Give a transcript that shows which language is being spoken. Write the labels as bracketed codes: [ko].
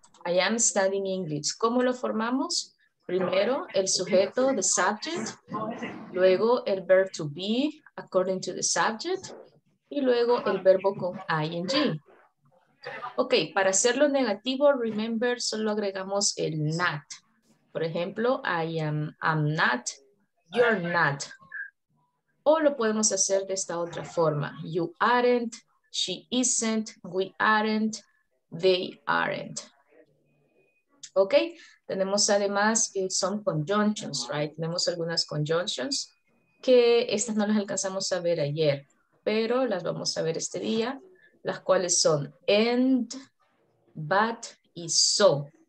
[en] I am studying English. [es] ¿Cómo lo formamos? Primero, el sujeto, [en] the subject, [es] luego el [en] verb to be, according to the subject, [es] y luego el verbo con ing. Ok, para hacerlo negativo, remember, solo agregamos el not. Por ejemplo, [en] I am, I'm not, you're not. [es] O lo podemos hacer de esta otra forma. [en] You aren't, she isn't, we aren't, they aren't. [es] Ok. Tenemos además que son conjunctions, right? Tenemos algunas conjunctions que estas no las alcanzamos a ver ayer, pero las vamos a ver este día, las cuales son and, but y so.